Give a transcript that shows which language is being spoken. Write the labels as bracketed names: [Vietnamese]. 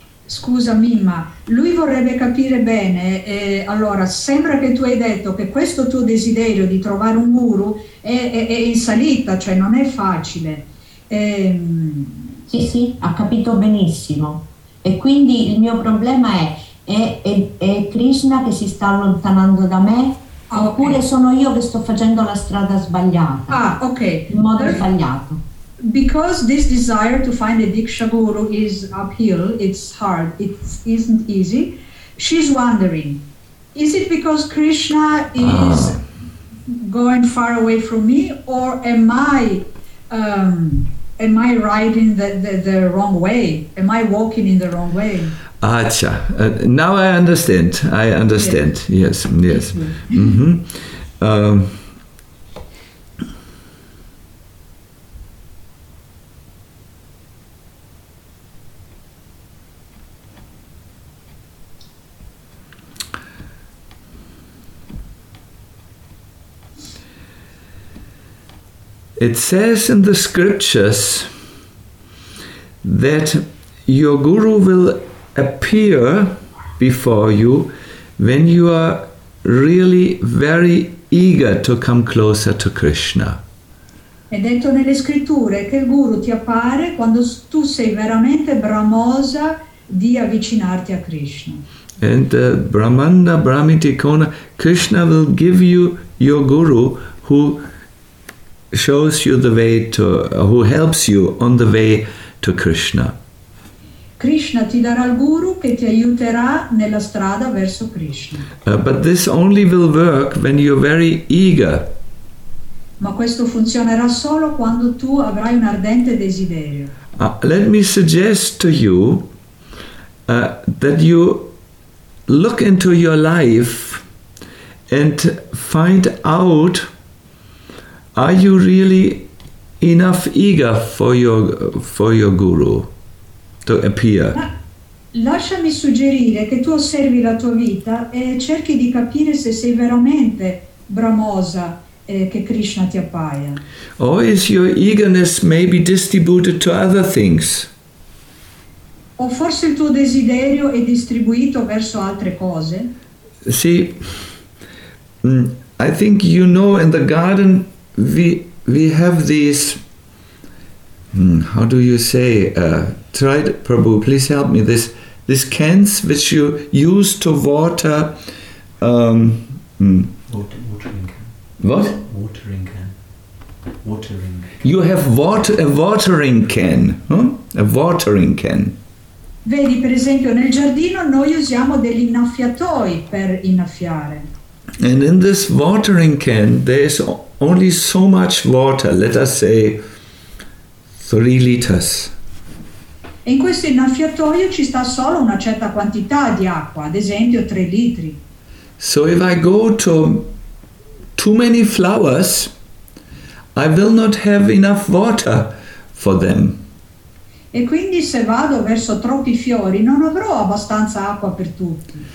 [Italian] Scusami, ma lui vorrebbe capire bene, allora sembra che tu hai detto che questo tuo desiderio di trovare un guru è in salita, cioè non è facile. Sì, sì, ha capito benissimo. E quindi il mio problema è Krishna che si sta allontanando da me, okay, oppure sono io che sto facendo la strada sbagliata, in modo sbagliato. [English] Because this desire to find a Diksha Guru is uphill, it's hard, it isn't easy, she's wondering, is it because Krishna is going far away from me, or am I riding the wrong way? Am I walking in the wrong way? Acha, now I understand. Yes. Mm-hmm. It says in the scriptures that your guru will appear before you when you are really very eager to come closer to Krishna. [Italian] È detto nelle scritture che il guru ti appare quando tu sei veramente bramosa di avvicinarti a Krishna. [English] And Brahmanda Brahmiti Kona, Krishna will give you your guru who shows you the way to, who helps you on the way to Krishna. [Italian] Krishna ti darà il guru che ti aiuterà nella strada verso Krishna. [English] But this only will work when you're very eager. [Italian] Ma questo funzionerà solo quando tu avrai un ardente desiderio. [English] Let me suggest to you that you look into your life and find out, are you really enough eager for your guru to appear? [Italian] Lasciami suggerire che tu osservi la tua vita e cerchi di capire se sei veramente bramosa che Krishna ti appaia. [English] Or is your eagerness maybe distributed to other things? [Italian] O forse il tuo desiderio è distribuito verso altre cose? Sì. [English] I think you know in the garden we have these, how do you say, try to, Prabhu, please help me, this cans which you use to water. Watering can. You have a watering can. [Italian] Vedi, per esempio, nel giardino noi usiamo degli innaffiatoi per innaffiare. [English] And in this watering can there's only so much water, let us say 3 liters. [Italian] In questo innaffiatoio ci sta solo una certa quantità di acqua, ad esempio 3 litri. [English] So if I go to too many flowers, I will not have enough water for them. [Italian] E quindi se vado verso troppi fiori non avrò abbastanza acqua per tutti.